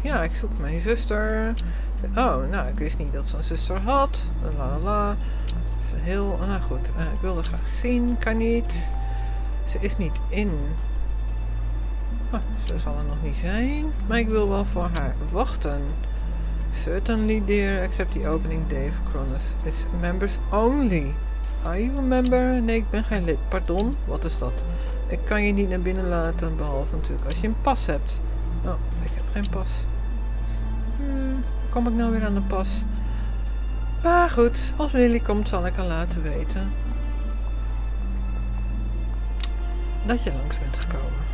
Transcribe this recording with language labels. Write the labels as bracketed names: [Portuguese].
[Dutch] Ja, ik zoek mijn zuster. Oh, nou, ik wist niet dat ze een zuster had. La la la. Ze is heel... Nou goed, ik wilde graag zien. Kan niet. Ze is niet in. Oh, ze zal er nog niet zijn. Maar ik wil wel voor haar wachten. [English] Certainly, dear, except the opening day of Cronus is members only. Are you a member? [Dutch] Nee, ik ben geen lid. Pardon, wat is dat? Ik kan je niet naar binnen laten, behalve natuurlijk als je een pas hebt. Oh, ik heb geen pas. Kom ik nou weer aan de pas? Ah, goed. Als Lily komt, zal ik haar laten weten dat je langs bent gekomen.